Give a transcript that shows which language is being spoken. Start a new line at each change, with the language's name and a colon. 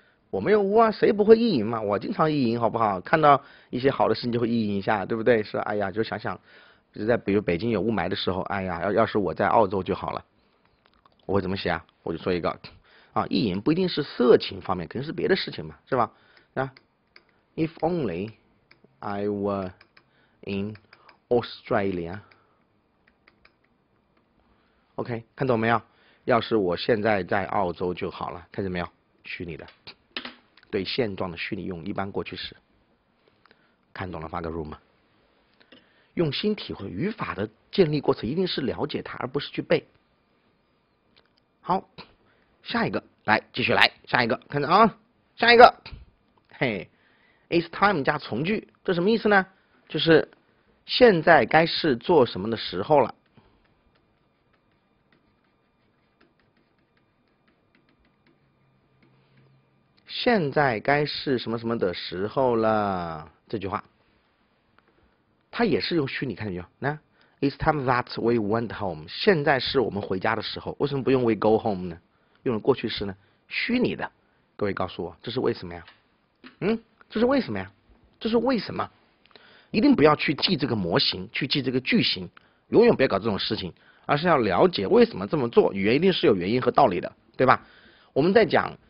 Chinese: 我没有污啊，谁不会意淫嘛？我经常意淫，好不好？看到一些好的事情就会意淫一下，对不对？是，哎呀，就想想，就在比如北京有雾霾的时候，哎呀，要是我在澳洲就好了，我会怎么写啊？我就说一个，啊，意淫不一定是色情方面，肯定是别的事情嘛，是吧？啊，
English: If only I were in Australia，
Chinese: OK，看懂没有？要是我现在在澳洲就好了，看见没有？虚拟的。对现状的虚拟用一般过去时，看懂了发个 room。用心体会语法的建立过程，一定是了解它，而不是去背。好，下一个来继续来，下一个看着啊，下一个，嘿，is time 加从句，这什么意思呢？就是现在该是做什么的时候了。现在该是什么什么的时候了？这句话，它也是用虚拟，看见没有？
English: 那 It's time that we went home。
Chinese: 现在是我们回家的时候，为什么不用
English: we go home
Chinese: 呢？用了过去式呢？虚拟的，各位告诉我，这是为什么呀？这是为什么呀？这是为什么？一定不要去记这个模型，去记这个句型，永远不要搞这种事情，而是要了解为什么这么做，语言一定是有原因和道理的，对吧？我们在讲。